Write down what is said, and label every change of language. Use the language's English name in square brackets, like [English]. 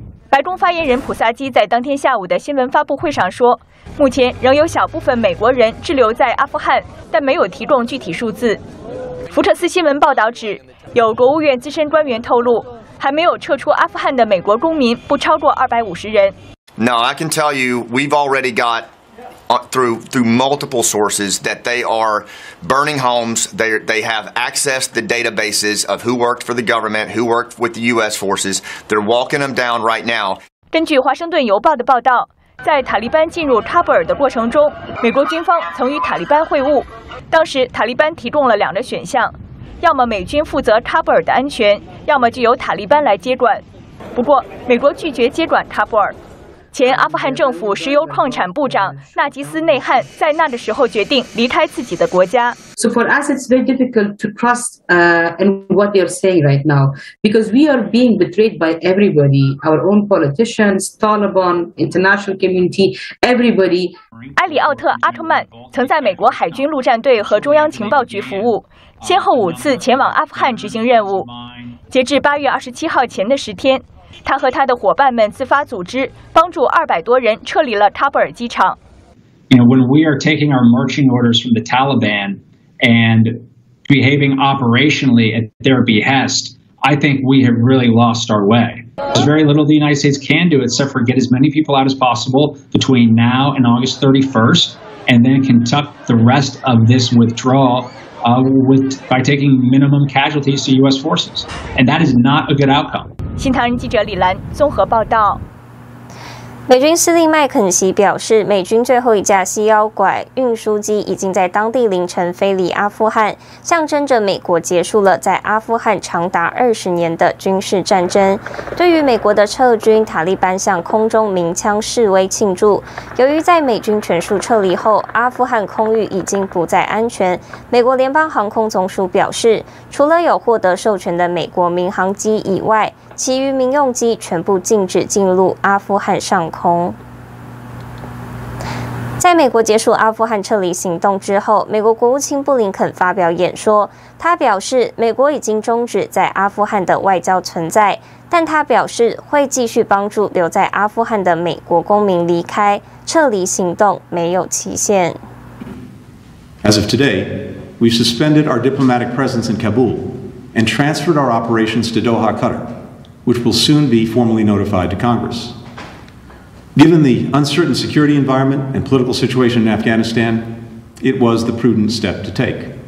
[Chinese] 白宫发言人普萨基在当天下午的新闻发布会上说，目前仍有小部分美国人滞留在阿富汗，但没有提供具体数字。福特斯新闻报道指，有国务院资深官员透露，还没有撤出阿富汗的美国公民不超过250人。 [English] No, I can tell you, we've already got through multiple sources that they are burning homes. They have accessed the databases of who worked for the government, who worked with the U.S. forces. They're walking them down right now. [Chinese] 根据《华盛顿邮报》的报道，在塔利班进入喀布尔的过程中，美国军方曾与塔利班会晤。当时塔利班提供了两个选项。要么美军负责喀布尔的安全，要么就由塔利班来接管。不过，美国拒绝接管喀布尔。前阿富汗政府石油矿产部长纳吉斯内汉在那的时候决定离开自己的国家。 [English] So for us, it's very difficult to trust in what they are saying right now, because we are being betrayed by everybody, our own politicians, Taliban, international community, everybody. [Chinese] 埃里奥特·阿特曼曾在美国海军陆战队和中央情报局服务，先后5次前往阿富汗执行任务。截至8月27号前的10天，他和他的伙伴们自发组织，帮助200多人撤离了喀布尔机场。 [English] You know, when we are taking our marching orders from the Taliban and behaving operationally at their behest, I think we have really lost our way. There's very little the United States can do except for get as many people out as possible between now and August 31st, and then conduct the rest of this withdrawal. By taking minimum casualties to U.S. forces, and that is not a good outcome. [Chinese] 新唐人记者李兰综合报道。美军司令麦肯锡表示，美军最后一架 C-1 拐运输机已经在当地凌晨飞离阿富汗，象征着美国结束了在阿富汗长达20年的军事战争。对于美国的撤军，塔利班向空中鸣枪示威庆祝。由于在美军全数撤离后，阿富汗空域已经不再安全，美国联邦航空总署表示，除了有获得授权的美国民航机以外，其余民用机全部禁止进入阿富汗上空。在美国结束阿富汗撤离行动之后，美国国务卿布林肯发表演说，他表示美国已经终止在阿富汗的外交存在，但他表示会继续帮助留在阿富汗的美国公民离开，撤离行动没有期限。 [English] As of today, we suspended our diplomatic presence in Kabul and transferred our operations to Doha, Qatar. Which will soon be formally notified to Congress. Given the uncertain security environment and political situation in Afghanistan, it was the prudent step to take.